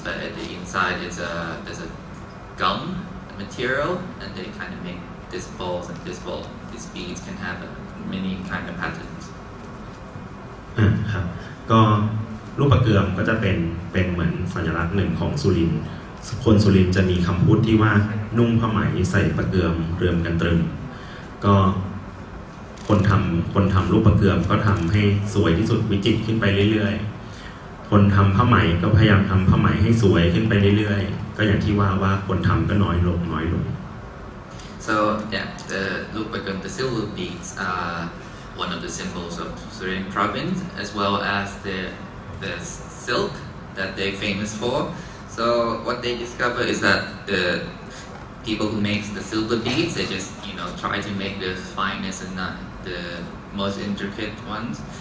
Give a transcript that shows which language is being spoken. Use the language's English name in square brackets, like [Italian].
[English] But the inside is a gum material, and they kind of make these balls and this ball. These beads can have many kind of patterns. [Thai] ครับก็ลูกปะเกือมก็จะเป็นเหมือนสัญลักษณ์หนึ่งของสุรินทร์ คนสุรินทร์จะมีคำพูดที่ว่านุ่งผ้าไหมใส่ปลาเกลือมเรือมกันตรึมก็คนทำรูปปลาเกลือมก็ทำให้สวยที่สุดวิจิตรขึ้นไปเรื่อยๆคนทำผ้าไหมก็พยายามทำผ้าไหมให้สวยขึ้นไปเรื่อยๆก็อย่างที่ว่าคนทำก็น้อยลง [English] so yeah the loop again the silver beads are one of the symbols of Surin province as well as the silk that they're famous for. So what they discover is that the people who make the silver beads, they just, you know, try to make the finest and not the most intricate ones.